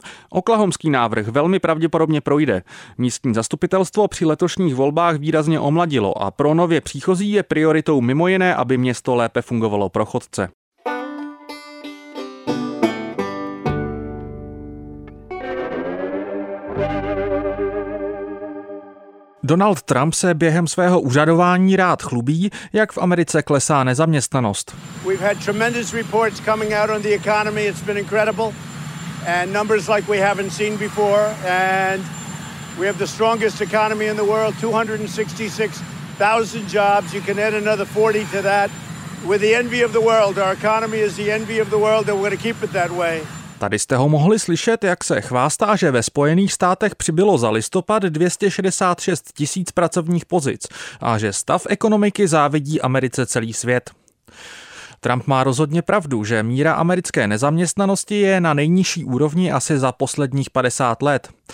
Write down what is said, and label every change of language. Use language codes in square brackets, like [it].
[cs] Oklahomský návrh velmi pravděpodobně projde. Místní zastupitelstvo při letošních volbách výrazně omladilo a pro nově příchozí je prioritou mimo jiné, aby město lépe fungovalo pro chodce. Donald Trump se během svého úřadování rád chlubí, jak v Americe klesá nezaměstnanost. [en] We've had tremendous reports coming out on the economy. It's been incredible. And numbers like we haven't seen before. And we have the strongest economy in the world. 266,000 jobs. You can add another 40 to that. With the envy of the world. Our economy is the envy of the world. And we're going to keep it that way. [cs] Tady jste ho mohli slyšet, jak se chvástá, že ve Spojených státech přibylo za listopad 266 tisíc pracovních pozic a že stav ekonomiky závidí Americe celý svět. Trump má rozhodně pravdu, že míra americké nezaměstnanosti je na nejnižší úrovni asi za posledních 50 let.